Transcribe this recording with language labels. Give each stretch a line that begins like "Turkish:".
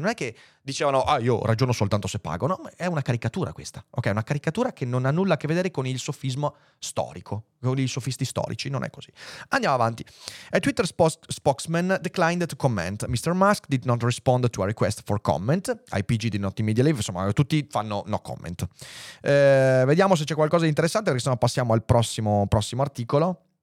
Italian: Non è che dicevano, ah, io ragiono soltanto se pago. No, è una caricatura questa, ok? Una caricatura che non ha nulla a che vedere con il sofismo storico, con i sofisti storici, non è così. Andiamo avanti.
English: A Twitter spokesman declined to comment. Mr. Musk did not respond to a request for comment. IPG did not immediately,
Italian: insomma, tutti fanno no comment. Vediamo se c'è qualcosa di interessante, perché sennò passiamo al prossimo articolo.